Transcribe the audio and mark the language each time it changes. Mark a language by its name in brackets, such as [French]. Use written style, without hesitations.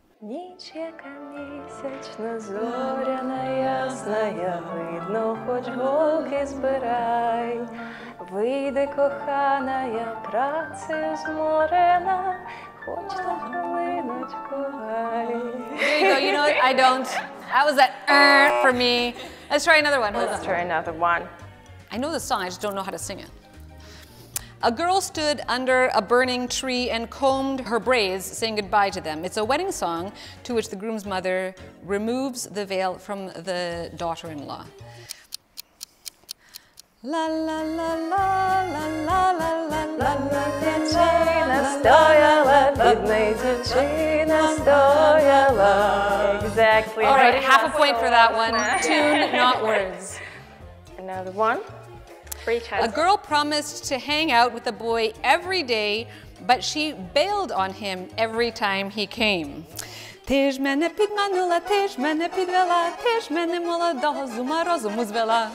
[Ukrainian] Ніч яка місячна, зоряна, ясна, я видно, хоч голки збирай. Вийде кохана, я працею зморена, хоч на хвилиночку кохай. [English] There you go, you know what? I don't. That was that for me. Let's try another one. Let's try another one. I know the song, I just don't know how to sing it. A girl stood under a burning tree and combed her braids, saying goodbye to them. It's a wedding song to which the groom's mother removes the veil from the daughter-in-law. La la la la la la la la la la la la la la la la la la la la la la la la. Exactly. All right, half a point for that one. Tune, not words. Another one. A girl promised to hang out with a boy every day, but she bailed on him every time he came. [Ukrainian] Теж мене підманула, теж мене підвела, теж мене молодого з ума розуму звела.